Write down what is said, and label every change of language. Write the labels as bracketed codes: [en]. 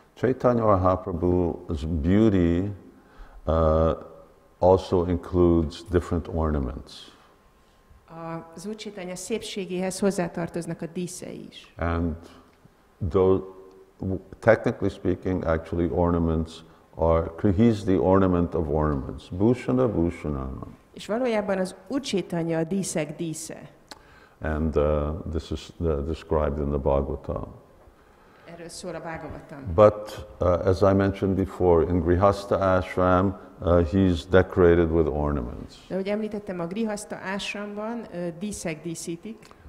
[en] Chaitanya Mahaprabhu's beauty also includes different ornaments. [hu] Az Úr Chaitanya szépségéhez hozzátartoznak a díszei is. [en] And though, technically speaking, actually ornaments are, he's the ornament of ornaments. [sa] Bhushana Bhushanam. [hu] És valójában az Úr Chaitanya a díszek dísze. [en] And this is described in the Bhagavatam. [hu] Erről szól a Bhagavatam. [en] But as I mentioned before, in Grihastha Ashram, he's decorated with ornaments. [hu] De ahogy említettem, a Grihastha Ashramban díszek díszítik.